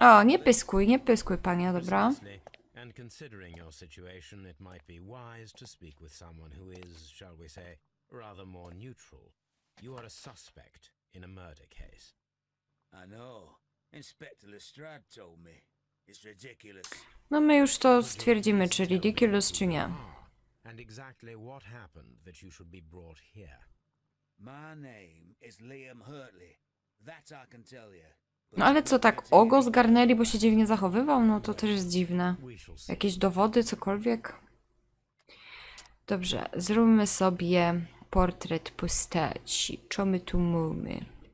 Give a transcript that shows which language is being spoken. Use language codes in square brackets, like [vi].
[pl] O, nie pyskuj, nie pyskuj, panie, dobra. [en] And considering your situation, it might be wise to speak with someone who is, shall we say, rather more neutral. You are a suspect in a murder case. I know. Inspector Lestrade told me. It's ridiculous. [pl] No my już to stwierdzimy, czy ridiculous, czy nie. [en] And exactly what happened that you should be brought here? My name is Liam Hurtley. That I can tell you. [pl] No ale co, tak o go zgarnęli, bo się dziwnie zachowywał? No to też jest dziwne. Jakieś dowody, cokolwiek? Dobrze, zróbmy sobie portret postaci. Co my tu mamy?